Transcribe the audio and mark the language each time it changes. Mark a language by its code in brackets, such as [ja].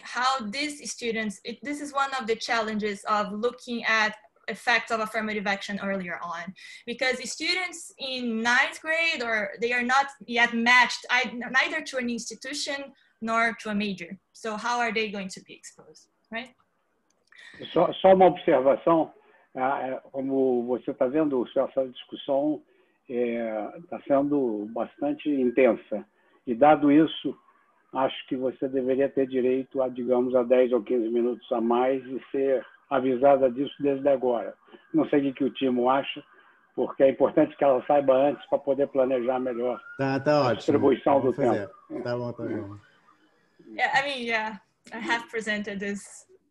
[en] How these students, this is one of the challenges of looking at effects of affirmative action earlier on. Because the students in ninth grade, or they are not yet matched neither to an institution nor to a major. So how are they going to be exposed, right? [pt] Só uma observação, como você está vendo, essa discussão está sendo bastante intensa. E dado isso, acho que você deveria ter direito a, digamos, a 10 ou 15 minutos a mais e ser avisada disso desde agora. Não sei o que o Timo acha, porque é importante que ela saiba antes para poder planejar melhor tá a distribuição do tempo. Tá bom. [en] Yeah, I mean, yeah, I have presented this